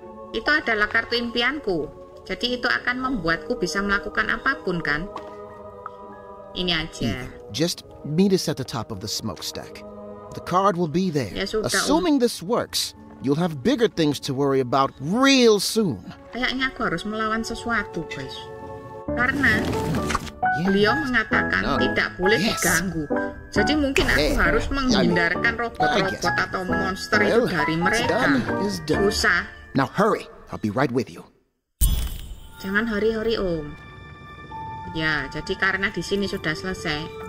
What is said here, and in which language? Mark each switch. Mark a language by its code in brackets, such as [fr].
[id] Itu adalah kartu impianku. Jadi itu akan membuatku bisa melakukan apapun, kan? Ini aja. [en] Just meet us at the top of the smokestack. The card will be there. [id] Ya, sudah, [en] assuming this works, you'll have bigger things to worry about real soon. [id] Kayaknya aku harus melawan sesuatu, guys. Karena beliau mengatakan tidak boleh diganggu. Jadi mungkin aku harus menghindarkan robot-robot atau monster itu dari mereka. Usah. [en] Now hurry. I'll be right with you. [id] Jangan hurry-hurry, Om. Ya, jadi karena di sini sudah selesai.